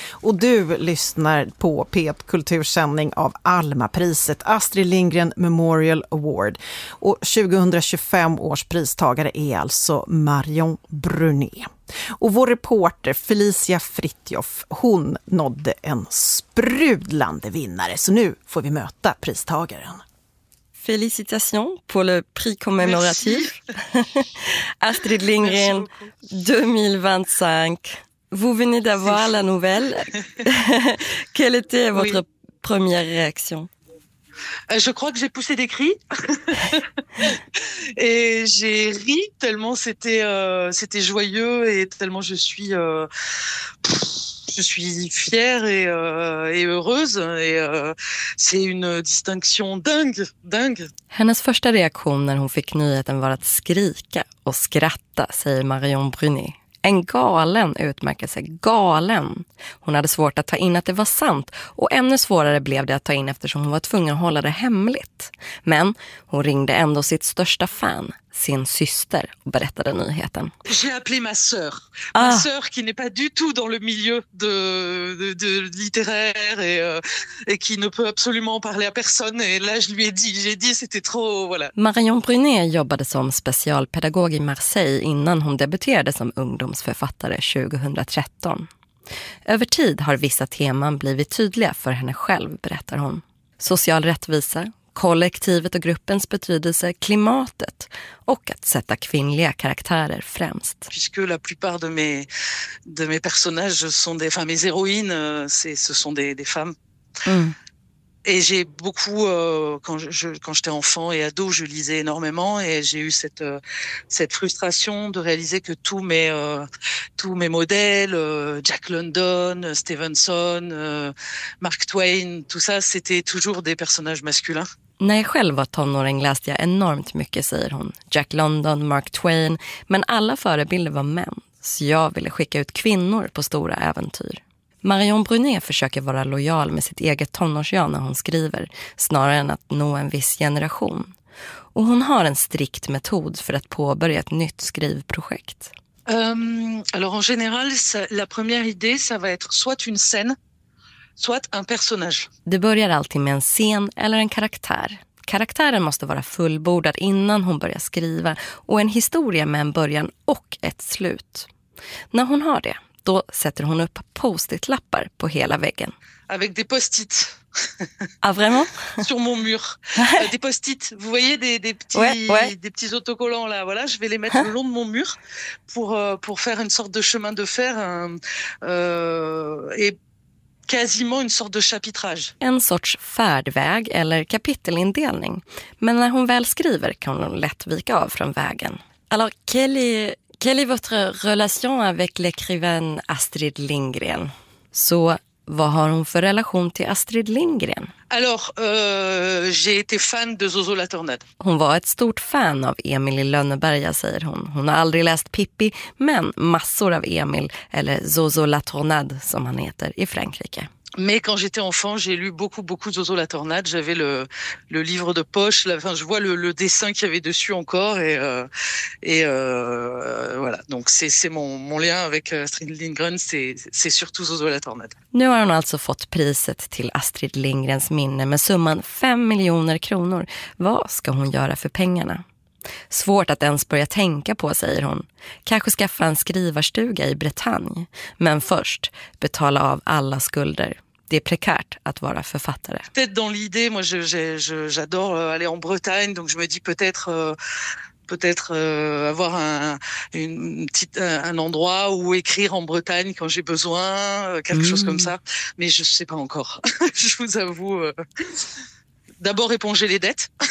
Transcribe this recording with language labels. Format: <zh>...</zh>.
<sv>Och du lyssnar på P1-kultursändning av Almapriset, Astrid Lindgren Memorial Award. Och 2025 års pristagare är alltså Marion Brunet. Och vår reporter Felicia Fritjof, hon nådde en sprudlande vinnare. Så nu får vi möta pristagaren.</sv> <fr>Félicitations pour le prix commémoratif. Astrid Lindgren, 2025. Vous venez d'avoir la nouvelle. Quelle était votre première réaction? Je crois que j'ai poussé des cris et j'ai ri tellement c'était joyeux et tellement je suis fière et heureuse et c'est une distinction dingue.</fr> <sv>Hennes första reaktion när hon fick nyheten var att skrika och skratta, säger Marion Brunet. En galen utmärkelse, galen. Hon hade svårt att ta in att det var sant, och ännu svårare blev det att ta in eftersom hon var tvungen att hålla det hemligt. Men hon ringde ändå sitt största fan, sin syster, och berättade nyheten.</sv> <fr>J'ai appelé ma sœur. Ma sœur qui n'est pas du tout dans le milieu de littéraire et qui ne peut absolument parler à personne, et là je lui ai dit, c'était trop, voilà.</fr> <sv>Marion Brunet jobbade som specialpedagog i Marseille innan hon debuterade som ungdomsförfattare 2013. Över tid har vissa teman blivit tydliga för henne själv, berättar hon. Social rättvisa, kollektivet och gruppens betydelse, klimatet och att sätta kvinnliga karaktärer främst.</sv> <fr>Puisque la plupart de mes personnages sont des femmes, mes héroïnes ce sont des femmes. Et j'ai beaucoup quand j'étais enfant et ado, je lisais énormément et j'ai eu cette frustration de réaliser que tous mes modèles, Jack London, Stevenson, Mark Twain, tout ça, c'était toujours des personnages masculins.</fr> <sv>När jag själv var tonåring läste jag enormt mycket, säger hon. Jack London, Mark Twain, men alla förebilder var män. Så jag ville skicka ut kvinnor på stora äventyr. Marion Brunet försöker vara lojal med sitt eget tonårsjag när hon skriver, snarare än att nå en viss generation. Och hon har en strikt metod för att påbörja ett nytt skrivprojekt.</sv> <fr>Alors en général, la première idée, ça va être soit une scène, soit un personnage.</fr> <sv>Det börjar alltid med en scen eller en karaktär. Karaktären måste vara fullbordad innan hon börjar skriva, och en historia med en början och ett slut. När hon har det, då sätter hon upp post-it-lappar på hela väggen.</sv> <fr>Avec des post-it. Ah vraiment? Sur mon mur. Des post-it. Vous voyez des petits des petits autocollants là, voilà, je vais les mettre le long de mon mur pour faire une sorte de chemin de fer et quasiment une sorte de chapitrage.</fr> <sv>En sorts färdväg eller kapitelindelning. Men när hon väl skriver kan hon lätt vika av från vägen.</sv> <fr>Alors, quelle est votre relation avec l'écrivain Astrid Lindgren?</fr> <sv>Så vad har hon för relation till Astrid Lindgren?</sv> <fr>Alors, j'ai été fan de Zozo La Tornade.</fr> <sv>Hon var ett stort fan av Emil i Lönneberga, säger hon. Hon har aldrig läst Pippi, men massor av Emil, eller Zozo La Tornade som han heter, i Frankrike.</sv> <fr>Mais quand j'étais enfant, j'ai lu beaucoup, beaucoup Zozo la Tornade. J'avais le livre de poche. Là, enfin, je vois le dessin qu'il y avait dessus encore. Voilà. Donc, c'est mon lien avec Astrid Lindgren. C'est surtout Zozo la Tornade.</fr> <sv>Nu har hon alltså fått priset till Astrid Lindgrens minne med summan 5 miljoner kronor. Vad ska hon göra för pengarna? Svårt att ens börja tänka på, säger hon. Kanske skaffa en skrivarstuga i Bretagne. Men först, betala av alla skulder. Det är prekärt att vara författare.</sv> <fr>Peut-être dans l'idée, moi j'adore aller en Bretagne, donc je me dis peut-être avoir un endroit où écrire en Bretagne quand j'ai besoin, quelque chose comme ça. Mais je sais pas encore. Je vous avoue. D'abord éponger les dettes.</fr>